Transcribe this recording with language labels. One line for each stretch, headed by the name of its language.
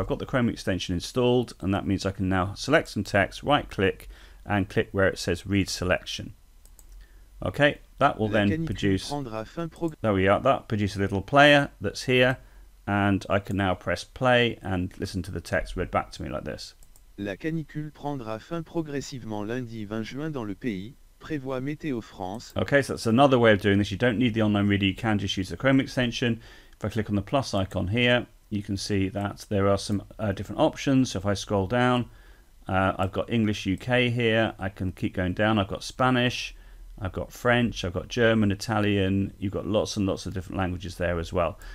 English: So I've got the Chrome extension installed, and that means I can now select some text, right click, and click where it says Read Selection. Okay, that will then produce, there we are, that produces a little player that's here, and I can now press play and listen to the text read back to me like this.
French: La canicule prendra fin progressivement lundi 20 juin dans le pays, prévoit Météo France.
English: Okay, so that's another way of doing this. You don't need the online reader, you can just use the Chrome extension. If I click on the plus icon here, you can see that there are some different options. So if I scroll down, I've got English UK here, I can keep going down, I've got Spanish, I've got French, I've got German, Italian, you've got lots and lots of different languages there as well.